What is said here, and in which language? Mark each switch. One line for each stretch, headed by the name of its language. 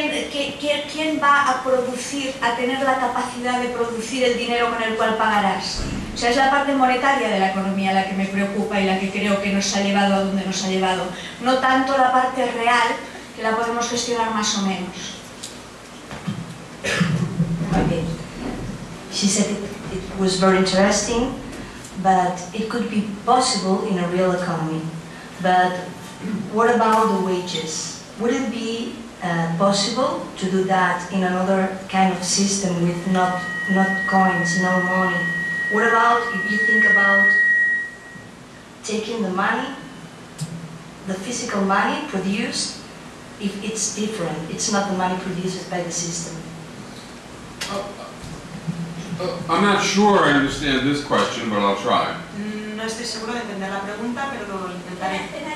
Spanish: ¿Quién va a producir, a tener la capacidad de producir el dinero con el cual pagarás? O sea, es la parte monetaria de la economía la que me preocupa y la que creo que nos ha llevado a donde nos ha llevado. No tanto la parte real, que la podemos gestionar más o menos.
English: She said it was very interesting, but it could be possible in a real economy. But what about the wages? Would it be possible to do that in another kind of system with not coins, no money? What about if you think about taking the money, the physical money produced, if it's different, it's not the money produced by the system? I'm not sure I understand this question, but I'll try.
Spanish: No estoy seguro de entender la pregunta, pero lo intentaré.